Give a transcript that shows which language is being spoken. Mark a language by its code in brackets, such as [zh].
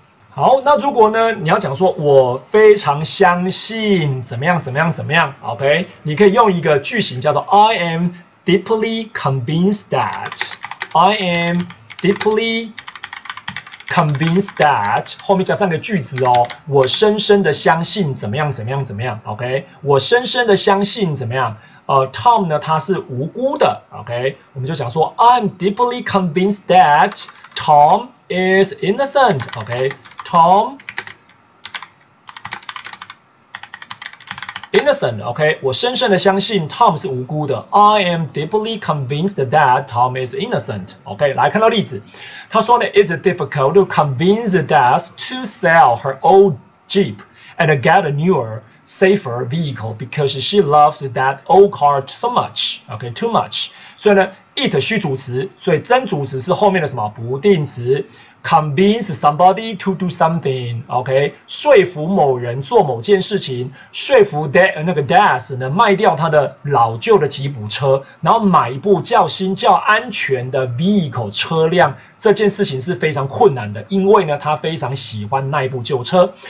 [zh] 好，那如果呢，你要讲说，我非常相信怎么样怎么样怎么样 ，OK， 你可以用一个句型叫做 [en] I am deeply convinced that. I am deeply convinced that. [zh] 后面加上个句子哦，我深深的相信怎么样怎么样怎么样 ，OK， 我深深的相信怎么样。 [en] Tom [zh] 呢他是无辜的 [en] ,OK, [zh] 我们就想说 [en] ,I'm deeply convinced that Tom is innocent,OK,、okay? Tom [zh] innocent, OK? 我深深的相信 Tom 是无辜的。 [en] I am deeply convinced that Tom is innocent, OK? [zh] 来看到例子。他说呢 [en] ,is it difficult to convince Des to sell her old Jeep and get a newer, safer vehicle because she loves that old car so much, OK? Too much. [zh] 所以呢 ,it 虚主词，所以真主词是后面的什么不定词。 [en] Convince somebody to do something, OK? [zh] 说服某人做某件事情，说服 那个 Des 呢卖掉他的老旧的吉普车，然后买一部较新较安全的 vehicle 车辆，这件事情是非常困难的，因为呢他非常喜欢那一部旧车。